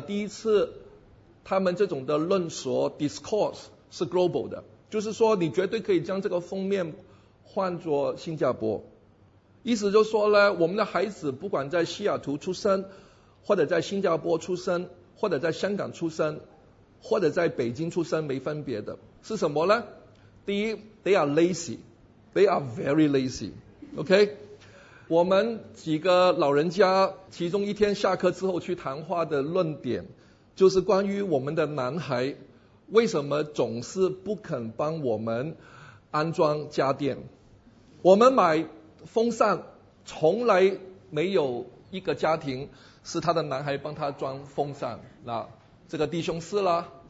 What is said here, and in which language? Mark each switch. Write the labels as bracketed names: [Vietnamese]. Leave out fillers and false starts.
[Chinese] 第一次他们这种的论述 discourse 是 global 的，就是说你绝对可以将这个封面换作新加坡，意思就是说呢，我们的孩子不管在西雅图出生或者在新加坡出生或者在香港出生或者在北京出生没分别的，是什么呢？第一， [English] they are lazy， they are very lazy， OK。 [Chinese] 我们几个老人家其中一天下课之后去谈话的论点就是关于我们的男孩为什么总是不肯帮我们安装家电，我们买风扇从来没有一个家庭是他的男孩帮他装风扇，那这个弟兄是啦，